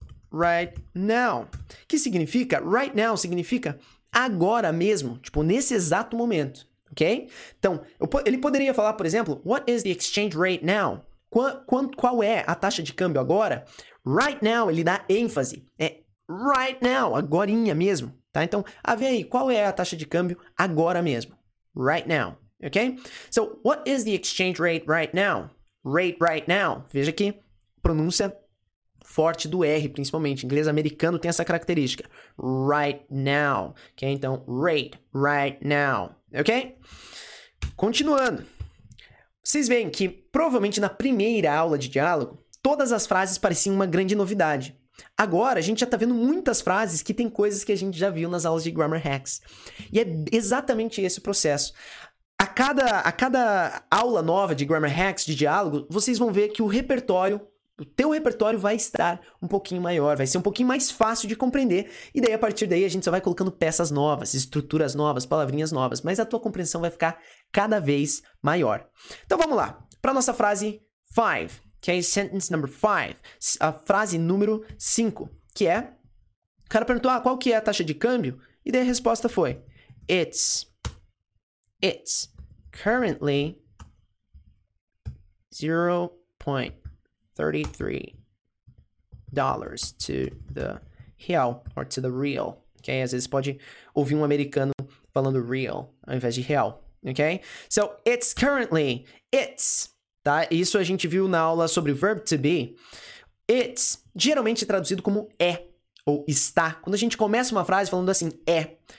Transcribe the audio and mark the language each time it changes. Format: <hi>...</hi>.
<en>Right now.</en> <pt>Que significa? Right now significa agora mesmo, tipo, nesse exato momento, ok? Então, ele poderia falar, por exemplo,</pt> <en>what is the exchange rate now?</en> <pt>Qual é a taxa de câmbio agora?</pt> <en>Right now,</en> <pt>ele dá ênfase. É</pt> <en>right now,</en> <pt>agorinha mesmo, tá? Então, a ver aí, qual é a taxa de câmbio agora mesmo?</pt> <en>Right now, ok? So, what is the exchange rate right now? Rate right now.</en> <pt>Veja que pronúncia forte do R, principalmente. Inglês americano tem essa característica.</pt> <en>Right now.</en> <pt>Ok? Então,</pt> <en>rate right now.</en> <pt>Ok? Continuando. Vocês veem que, provavelmente, na primeira aula de diálogo, todas as frases pareciam uma grande novidade. Agora, a gente já está vendo muitas frases que tem coisas que a gente já viu nas aulas de Grammar Hacks. E é exatamente esse o processo. A cada aula nova de Grammar Hacks, de diálogo, vocês vão ver que o teu repertório vai estar um pouquinho maior, vai ser um pouquinho mais fácil de compreender. E daí, a partir daí, a gente só vai colocando peças novas, estruturas novas, palavrinhas novas. Mas a tua compreensão vai ficar cada vez maior. Então, vamos lá. Para a nossa frase 5, que é sentence number 5. A frase número 5, que é... O cara perguntou, qual que é a taxa de câmbio? E daí, a resposta foi...</pt> <en>It's currently 0.33 dollars to the real or to the real. Ok?</en> <pt>Às vezes pode ouvir um americano falando real ao invés de real.</pt> <en>Ok? So, it's currently. It's. Tá?</en> <pt>Isso a gente viu na aula sobre verb to be. It's geralmente traduzido como é ou está. Quando a gente começa uma frase falando assim, é.</pt>